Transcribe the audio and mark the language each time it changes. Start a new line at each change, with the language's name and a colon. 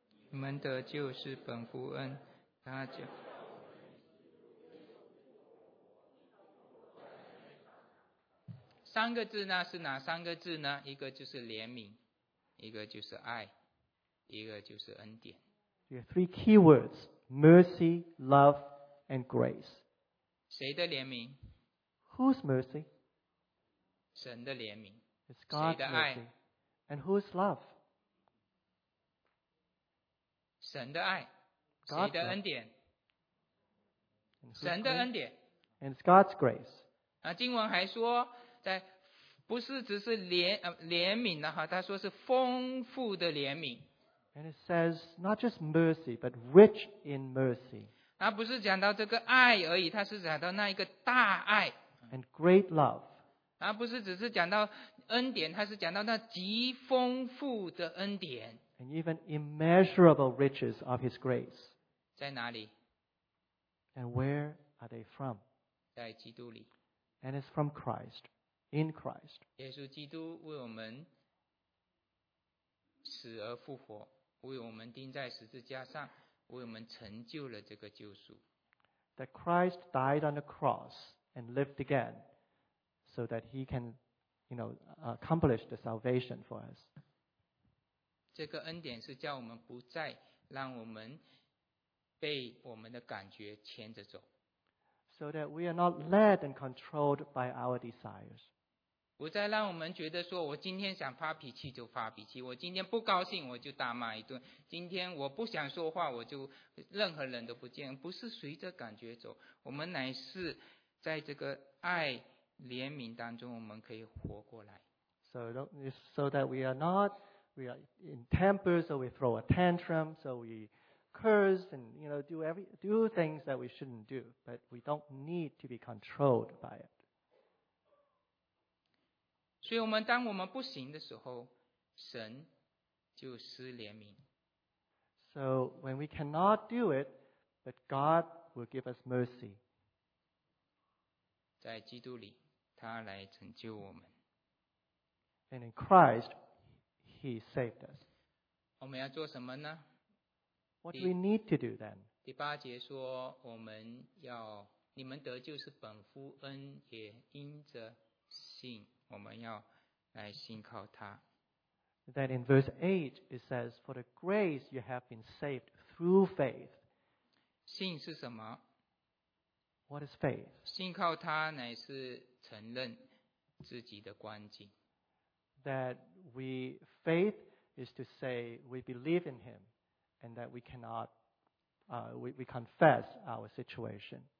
Chinese: 你们得救是本乎恩，他讲。三个字呢，是哪三个字呢？一个就是怜悯，一个就是爱，一个就是恩典。
English: There are three key words, mercy, love, and grace.
Chinese: 谁的怜悯？
English: Whose mercy?
Chinese: 神的怜悯。
English: It's God's mercy. And whose love?
Chinese: 神的爱。谁的恩典？
English: God's、
Chinese: 神的恩典。
English: And it's God's grace.
Chinese: 那经文还说，在不是只是 怜悯的，他说是丰富的怜悯。
English: And it says not just mercy, but rich in mercy.
Chinese: 他不是讲到这个爱而已，他是讲到那一个大爱。
English: And great love.
Chinese: 他不是只是讲到恩典，他是讲到那极丰富的恩典。
English: And even immeasurable riches of his grace.
Chinese: 在哪里？
English: And where are they from?
Chinese: 在基督里。
English: And it's from Christ. In Christ.
Chinese: 耶稣基督为我们死而复活，为我们钉在十字架上，为我们成就了这个救赎。
English: That Christ died on the cross and lived again so that he can, you know, accomplish the salvation for us.
Chinese: 这个恩典是叫我们不再让我们被我们的感觉牵着走。
English: So that we are not led and controlled by our desires.
Chinese: 不再让我们觉得说，我今天想发脾气就发脾气，我今天不高兴我就大骂一顿，今天我不想说话我就任何人都不见，不是随着感觉走，我们乃是在这个爱怜悯当中我们可以活过来。
English: so that we are not, we are in temper, so we throw a tantrum, so we curse and, you know, do things that we shouldn't do, but we don't need to be controlled by it.
Chinese: 所以我们当我们不行的时候，神就施怜悯。
English: So when we cannot do it, but God will give us mercy.
Chinese: 在基督里，他来拯救我们。
English: And in Christ, He saved us.
Chinese: 我们要做什么呢？
English: What do we need to do then?
Chinese: 第八节说，我们要，你们得救是本乎恩，也因着信。我们要来信靠他。
English: Then in verse 8, it says, For the grace you have been saved through faith.
Chinese: 信是什么？
English: What is faith?
Chinese: 信靠他乃是承认自己的光景。
English: That we, faith is to say we believe in him and that we cannot, we confess our situation.